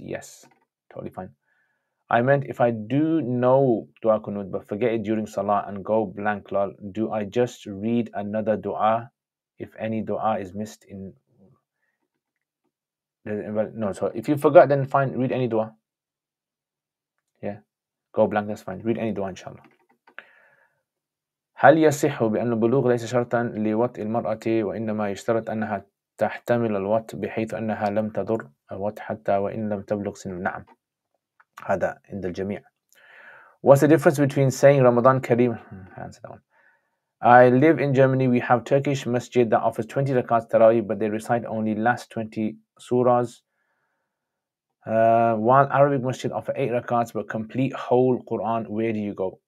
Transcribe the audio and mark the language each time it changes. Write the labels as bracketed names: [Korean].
[English] Yes, totally fine. I meant if I do know Dua Kunud but forget it during Salah and go blank lol, do I just read another Dua if any Dua is missed in... No, so if you forgot, then fine, read any Dua. Yeah, go blank, that's fine. Read any Dua, inshallah. [Arabic] هل يصح بأن البلوغ ليس شرطا لوطء المرأة وإنما يشترط أنها تحتمل الوطء بحيث أنها لم تضر الوطء حتى وإن لم تبلغ سن؟ نعم هذا عند الجميع. [English] What's the difference between saying Ramadan Kareem? Answer that one. I live in Germany. We have Turkish masjid that offers 20 rakats tarawih, but they recite only last 20 surahs. While Arabic masjid offer 8 rakats, but complete whole Quran, where do you go?